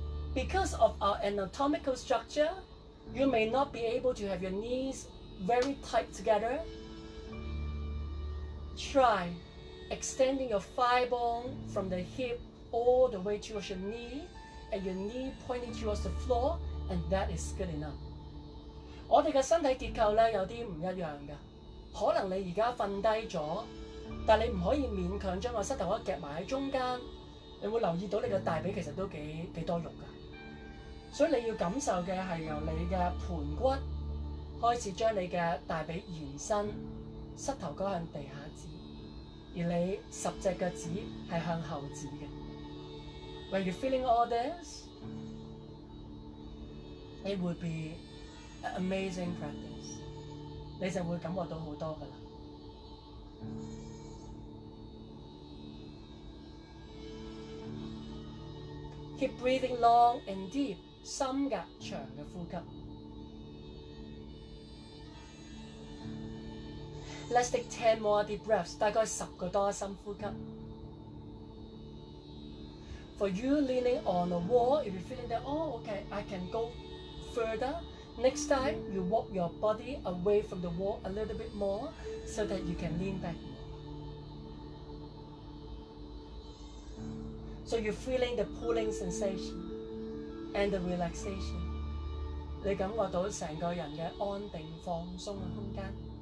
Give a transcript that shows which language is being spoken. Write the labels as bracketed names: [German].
[English] Because of our anatomical structure, you may not be able to have your knees very tight together. Try extending your thigh bone from the hip all the way towards your knee, and your knee pointing towards the floor, and that is good enough. [Cantonese] 我們的身體結構呢有點不一樣的。可能你現在睡低了但你不可以勉強將個膝頭骨夾埋喺中間，你會留意到你的大髀其實都幾多肉噶。所以你要感受的是由你的盤骨開始將你的大髀延伸，膝頭骨向地下指，而你十隻腳趾是向後指的。 [English] When you're feeling all this, it would be an amazing practice. [Cantonese] 你就會感覺到很多噶啦。 [English] Keep breathing long and deep, [Cantonese] 深的長的呼吸。 [English] Let's take 10 more deep breaths, [Cantonese] 大概10個多深呼吸。 [English] For you leaning on a wall, if you're feeling that, oh, okay, I can go further, next time you walk your body away from the wall a little bit more so that you can lean back. So you're feeling the pulling sensation and the relaxation. [Cantonese] 你感覺到整個人的安定放鬆的空間。